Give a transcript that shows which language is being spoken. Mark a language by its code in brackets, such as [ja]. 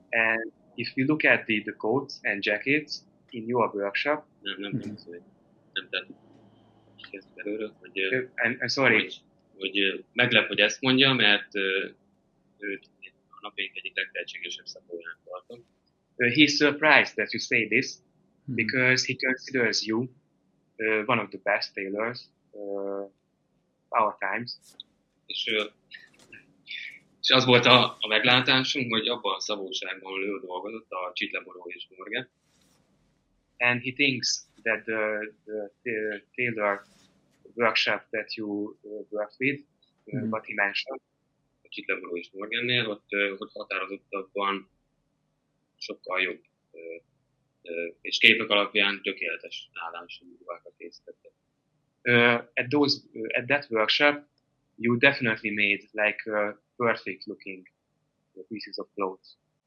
[en] and if you look at the coats and jackets in your workshop, he's surprised that you say this, mm-hmm. because he considers you one of the best tailors our times. [hu] És az volt a meglátásunk, hogy abban a szabóságban ő dolgozott, a csitleboró és morge. [en] And he thinks that the tailor workshop that you worked with, mm-hmm. what he mentioned, [hu] a csitleboró és morgennél, ott határozottabban sokkal jobb. És képek alapján tökéletes állású munkákat készítette. [en] At that workshop, you definitely made like perfect looking pieces of clothes.